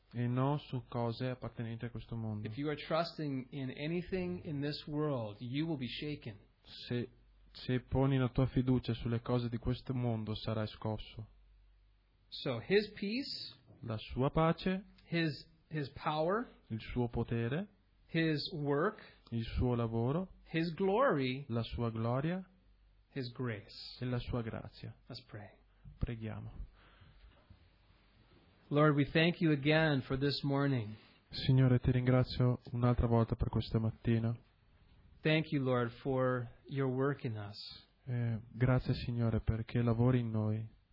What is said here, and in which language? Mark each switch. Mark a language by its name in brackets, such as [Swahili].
[Italian] E non su cose appartenenti a questo mondo. [English] If you are trusting in anything in this world, you will be shaken. [Italian] Se poni la tua fiducia sulle cose di questo mondo, sarai scosso. [English] So his peace, [Italian] la sua pace, [English] his power, [Italian] il suo potere, [English] his work, [Italian] il suo lavoro, [English] his glory, [Italian] la sua gloria, [English] his grace, [Italian] e la sua grazia. [English] Let's pray. [Italian] Preghiamo. [English] Lord, we thank you again for this morning. [Italian] Signore, ti ringrazio un'altra volta per questa mattina. [English] Thank you, Lord, for your work in us. [Italian] Grazie, Signore, perché lavori in noi.